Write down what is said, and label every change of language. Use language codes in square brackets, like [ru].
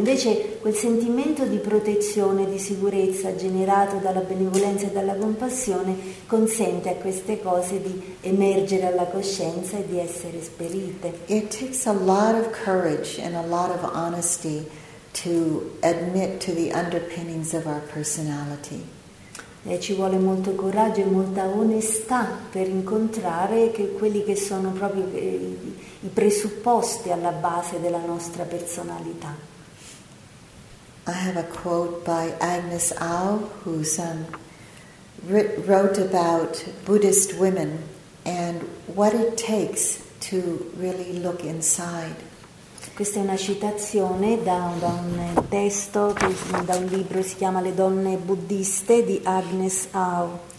[it] Invece quel sentimento di protezione, di sicurezza generato dalla benevolenza e dalla compassione consente a queste cose di emergere alla coscienza e di essere esperite. [en] It takes a lot of courage and a lot of honesty to admit to the underpinnings of our personality. [it] E ci vuole molto coraggio e molta onestà per incontrare quelli che sono proprio i presupposti alla base della nostra personalità. [en] I have a quote by Agnes Au, who wrote about Buddhist women and what it takes to really look inside. [it] Questa è una citazione da un libro che si chiama Le donne buddiste di Agnes Au.